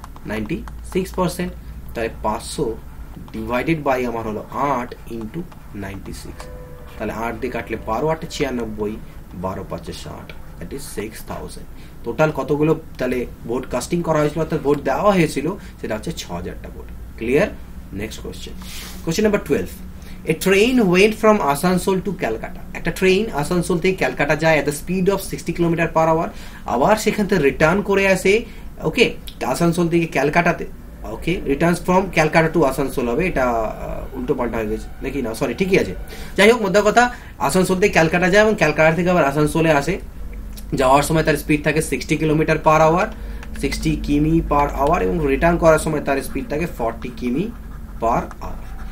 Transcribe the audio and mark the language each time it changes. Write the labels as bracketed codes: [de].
[bn] 96%, তাহলে 500 divided by আমার হলো 8 × 96, তাহলে 8 দিয়ে কাটলে 12 8 96 12 5 60, [en] that is [bn] 6000। টোটাল কতগুলো তাহলে ভোট কাস্টিং করা হয়েছিল অর্থাৎ ভোট দেওয়া হয়েছিল সেটা হচ্ছে 6000টা vote. Clear? Next question, question number 12। [en] A train went from Asansol to Calcutta. [bn] একটা ট্রেন আসানসোল থেকে ক্যালকাটা যায় [en] at the speed of 60 kilometre per hour, [bn] আবার সেখান থেকে রিটার্ন করে আসে, ওকে, আসানসোল থেকে ক্যালকাটাতে, ওকে, [en] return from Calcutta to Asansol [bn] হবে, এটা উল্টো পাল্টা হয়ে গেছে নাকি না, সরি, ঠিকই আছে, যাই হোক, মোদ্দা কথা আসানসোল থেকে ক্যালকাটা যায় এবং ক্যালকাটা থেকে আবার আসানসোলে আসে, যাওয়ার সময় তার স্পিড থাকে 60 কিলোমিটার পার আওয়ার, 60 কিমি পার আওয়ার, এবং রিটার্ন করার সময় তার স্পিড থাকে 40 কিমি পার আওয়ার।